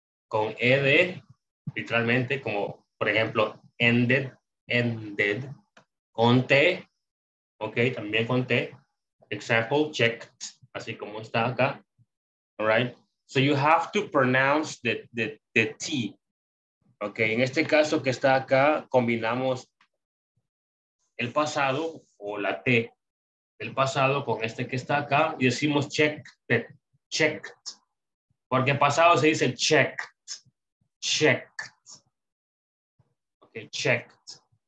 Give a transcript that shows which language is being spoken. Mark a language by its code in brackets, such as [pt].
[es] Con ED, literalmente, como, por ejemplo, ended, con T, okay, también con T. [en] Example, checked, [es] así como está acá, [en] all right? So you have to pronounce the T, okay? [es] En este caso que está acá, combinamos el pasado o la T del pasado con este que está acá y decimos checked, porque pasado se dice checked. Okay, checked.